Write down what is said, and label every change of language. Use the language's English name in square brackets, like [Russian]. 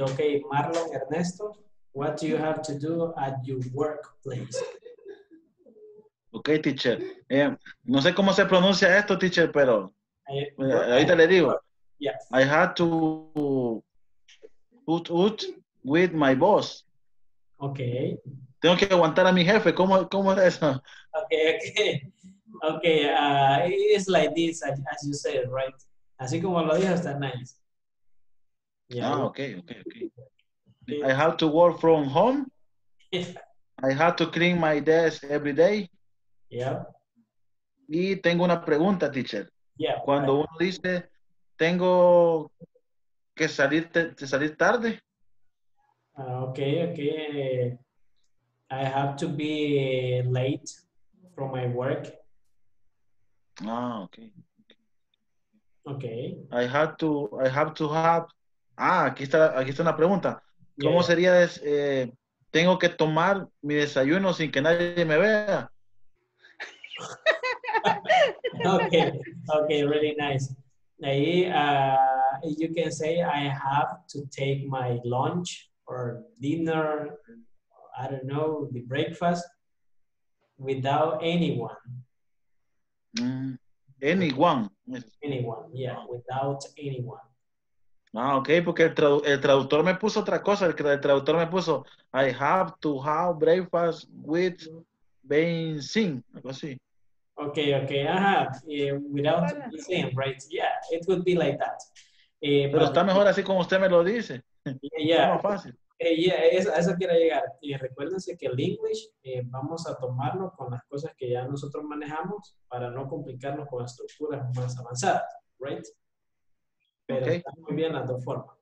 [English] Okay, Marlon, Ernesto, what do you have to do at your workplace? Okay, teacher. [Spanish] No sé cómo se pronuncia esto, teacher, pero ahorita le digo. [English] Yeah. I had to put out with my boss. Okay. [Spanish] Tengo que aguantar a mi jefe. ¿Cómo es eso? [English] Okay, okay. Okay, it's like this, as you said, right? [Spanish] Así como lo dijo, está nice. [English] Yeah. Oh, okay. I have to work from home. Yeah. I have to clean my desk every day. Yeah. [Spanish] Y tengo una pregunta, teacher. [English] Yeah. [Spanish] Cuando uno dice, tengo que salir tarde. [English] Okay. I have to be late from my work. Oh, okay. Okay. [Spanish] Aquí está una pregunta. ¿Cómo sería? Tengo que tomar mi desayuno sin que nadie me vea. [English] Okay, really nice. Ahí, you can say, I have to take my lunch or dinner, I don't know, the breakfast without anyone. Anyone, yeah, without anyone. [Spanish] Ah, okay, porque el traductor me puso otra cosa, el traductor me puso [English] I have to have breakfast with Ben Singh, [Spanish] algo así. [English] Okay, okay, ajá, without saying, right, yeah, it would be like that. [Spanish] Pero está mejor así como usted me lo dice. [English] Yeah, [Spanish] es más fácil. Yeah, eso, a eso quiero llegar. Recuérdense que el English vamos a tomarlo con las cosas que ya nosotros manejamos para no complicarnos con estructuras más avanzadas, right? Pero okay, está muy bien las dos formas.